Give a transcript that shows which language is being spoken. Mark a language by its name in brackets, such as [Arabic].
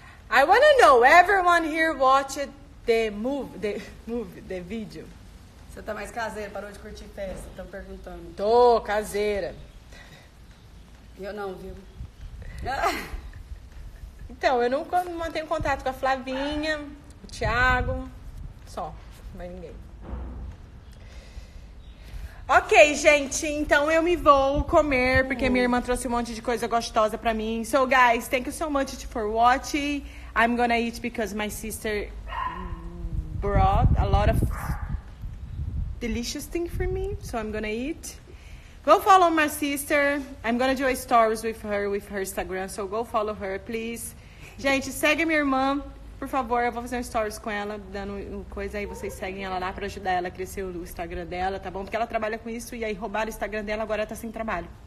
[English] I want to know, everyone here watched the video. [Portuguese] Você tá mais caseira, parou de curtir festa, estão perguntando. Tô, caseira. Eu não, viu? Então, eu nunca mantenho contato com a Flavinha, o Thiago, só, mais ninguém. Ok, gente, então eu me vou comer, porque minha irmã trouxe um monte de coisa gostosa pra mim. [English] So, guys, thank you so much for watching. I'm gonna eat because my sister brought a lot of delicious thing for me. So I'm gonna eat. Go follow my sister. I'm gonna do a stories with her Instagram. So go follow her, please. [Portuguese] Gente, segue minha irmã, por favor. Eu vou fazer um stories com ela, dando coisa. Aí vocês seguem ela lá pra ajudar ela a crescer o Instagram dela, tá bom? Porque ela trabalha com isso e aí roubaram o Instagram dela, agora ela tá sem trabalho.